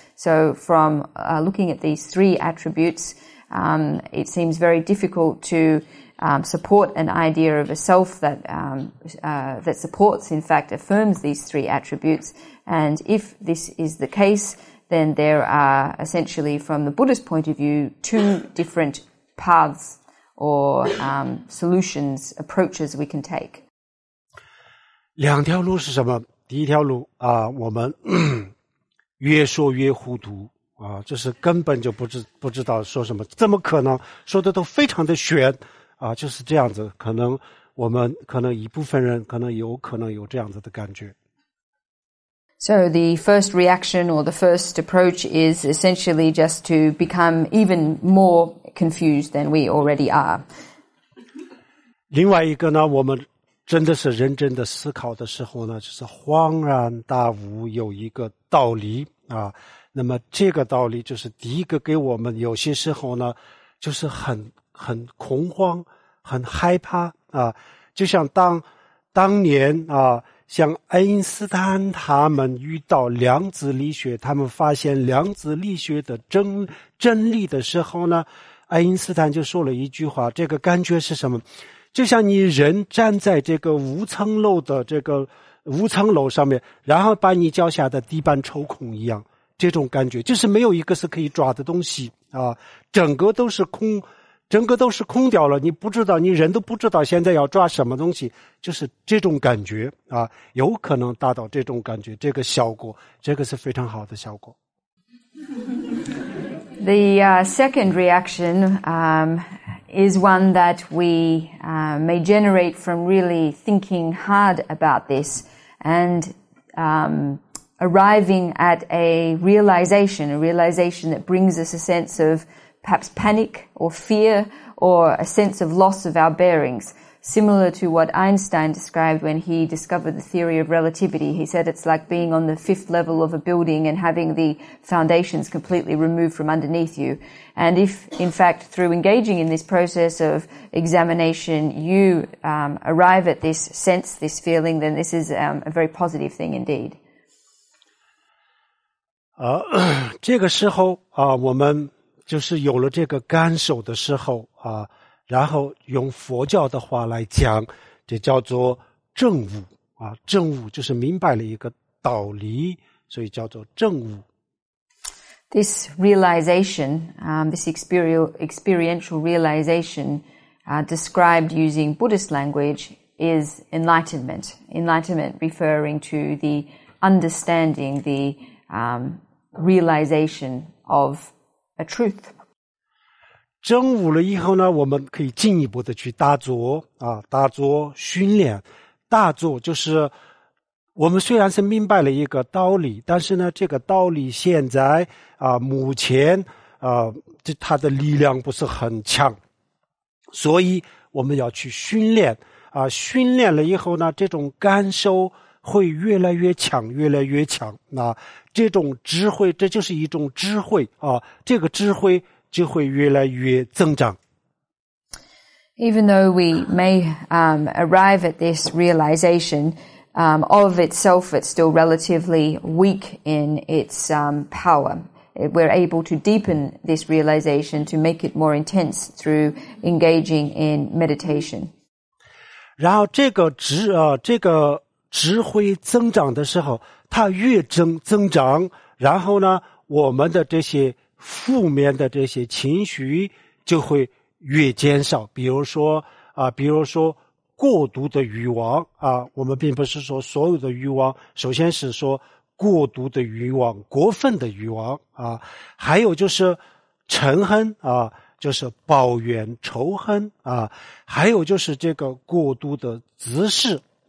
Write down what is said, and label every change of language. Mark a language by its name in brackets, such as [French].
[English] So from looking at these three attributes, it seems very difficult to support an idea of a self that that supports, in fact affirms these three attributes. And if this is the case, then there are essentially from the Buddhist point of view two different paths or solutions, approaches we can take. [Chinese] 两条路是什么？第一条路啊，我们越说越糊涂啊，这是根本就不知道说什么，怎么可能说的都非常的玄啊，就是这样子。可能我们可能一部分人可能有可能有这样子的感觉。 [English] So the first reaction or the first approach is essentially just to become even more confused than we already are. [Chinese] 另外一个呢，我们真的是认真的思考的时候呢，就是恍然大悟，有一个道理啊。那么这个道理就是第一个给我们有些时候呢，就是很恐慌，很害怕啊。就像当年啊。像爱因斯坦他们遇到量子力学，他们发现量子力学的真理的时候呢，爱因斯坦就说了一句话，这个感觉是什么？就像你人站在这个五层楼的这个五层楼上面，然后把你脚下的地板抽空一样，这种感觉就是没有一个是可以抓的东西啊，整个都是空掉了，你不知道，你人都不知道现在要抓什么东西，就是这种感觉啊，有可能达到这种感觉，这个效果，这个是非常好的效果。 [English] The second reaction is one that we may generate from really thinking hard about this and arriving at a realization that brings us a sense of perhaps panic or fear or a sense of loss of our bearings, similar to what Einstein described when he discovered the theory of relativity. He said it's like being on the fifth level of a building and having the foundations completely removed from underneath you. And if, in fact, through engaging in this process of examination, you arrive at this sense, this feeling, then this is a very positive thing indeed. [Chinese] 这个时候我们就是有了这个感受的时候然后用佛教的话来讲，这叫做证悟证悟就是明白了一个道理，所以叫做证悟。 [English] This realization, this experiential realization, described using Buddhist language is enlightenment. Enlightenment referring to the understanding, the realization of a truth. [Chinese] 证悟了以后呢，我们可以进一步的去打坐打坐训练。打坐就是我们虽然是明白了一个道理，但是呢，这个道理现在目前就它的力量不是很强，所以我们要去训练训练了以后呢，这种感受会越来越强，越来越强。那这种智慧，这就是一种智慧这个智慧就会越来越增长。 [English] Even though we may arrive at this realization, of itself, it's still relatively weak in its power. We're able to deepen this realization to make it more intense through engaging in meditation. [Chinese] 然后这个智这个智慧增长的时候，它越增长，然后呢，我们的这些负面的这些情绪就会越减少。比如说比如说过度的欲望我们并不是说所有的欲望，首先是说过度的欲望，过分的欲望还有就是嗔恨就是抱怨仇恨还有就是这个过度的姿势